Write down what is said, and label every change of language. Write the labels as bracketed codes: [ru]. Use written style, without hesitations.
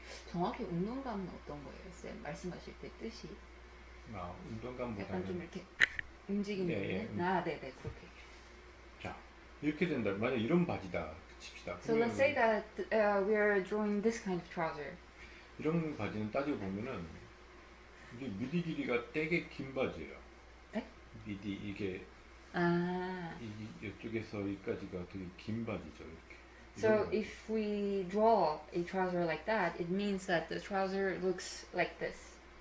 [ko] 정확히 운동감은 어떤 거예요, 쌤? 말씀하실 때 뜻이? 아, 운동감보다는 약간 좀 이렇게 움직이는 예, 예. 나, 네, 네, 그렇게. 자, 이렇게 된다. 만약 이런 바지다, 칩시다. [en] So let's say that we are drawing this kind of trouser. [ko] 이런 바지는 따지고 보면은 이게 미디 길이가 되게 긴 바지예요. 네? 미디 이게 아 이쪽에서 여기까지가 되게 긴 바지죠. [en] So if we draw a trouser like that, it means that the trouser looks like this.